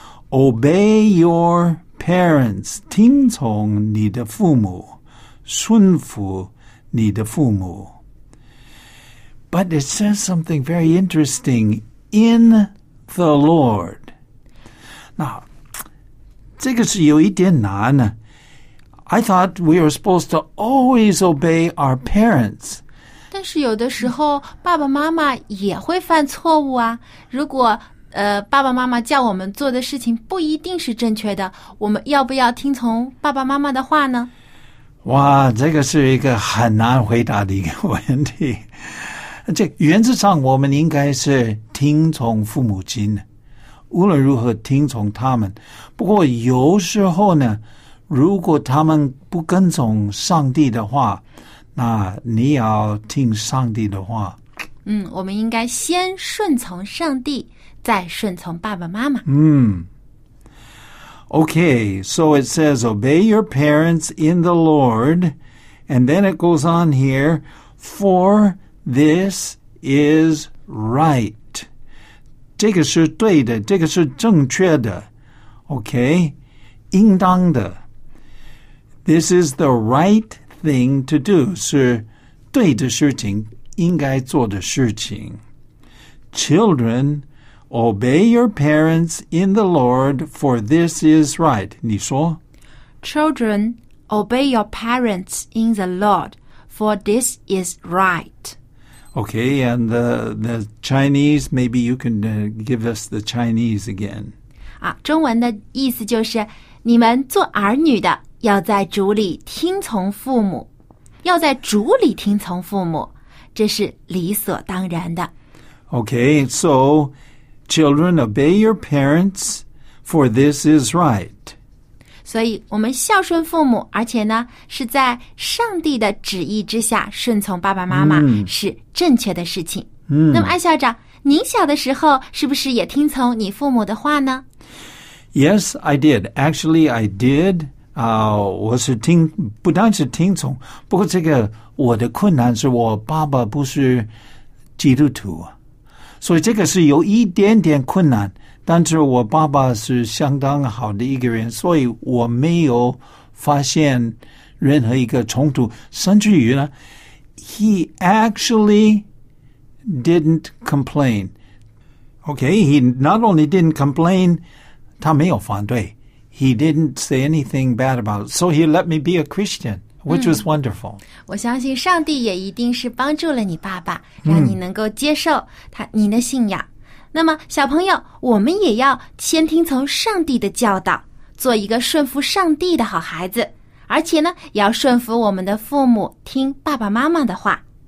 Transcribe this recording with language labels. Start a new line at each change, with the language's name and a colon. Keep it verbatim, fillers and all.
English: Obey your parents,
Chinese: 听从你的父母，顺服你的父母。
English: But it says something very interesting, in the Lord.
Chinese: 那这个是有一点难啊。
English: I thought we were supposed to always obey our parents.
Chinese: 但是有的时候爸爸妈妈也会犯错误啊。如果呃爸爸妈妈叫我们做的事情不一定是正确的，我们要不要听从爸爸妈妈的话呢？哇，这个是一个很难回答的一个问题。这原则上我们应该是听从父母亲，无论如何听从他们。不过有时候呢，如果他们不跟从上帝的话，那你要听上帝的话。嗯，我们应该先顺从上帝，再顺从爸爸妈妈。嗯。
English: Okay, so it says, obey your parents in the Lord. And then it goes on here, for this is right.
Chinese: 这个是对的，这个是正确的。
English: Okay,
Chinese: 应当的。
English: This is the right thing to do.
Chinese: 是对的事情，应该做的事情。
English: Children, obey your parents in the Lord, for this is right.
Chinese: 你说
English: Children, obey your parents in the Lord, for this is right. Okay, and the, the Chinese, maybe you can uh, give us the Chinese again.
Chinese: 啊，中文的意思就是你们做儿女的要在主里听从父母，要在主里听从父母，这是理所当然的。
English: Okay, so children, obey your parents, for this is right.
Chinese: 所以我们孝顺父母，而且呢是在上帝的旨意之下顺从爸爸妈妈，嗯，是正确的事情。嗯，那么艾校长，您小的时候是不是也听从你父母的话呢？
English: Yes, I did. Actually, I did.
Chinese: 啊、uh, ，我是听，不单是听从，不过这个我的困难是我爸爸不是基督徒，所以这个是有一点点困难。但是我爸爸是相当好的一个人，所以我没有发现任何一个冲突。甚至于呢
English: ，he actually didn't complain. Okay, he not only didn't complain,
Chinese: 他没有反对。
English: He didn't say anything bad about it, so he let me be a Christian, which was wonderful.
Chinese: 我相信上帝也一定是帮助了你爸爸，让你能够接受他你的信仰。那么，小朋友，我们也要先听从上帝的教导，做一个顺服上帝的好孩子，而且呢，也要顺服我们的父母，听爸爸妈妈的话。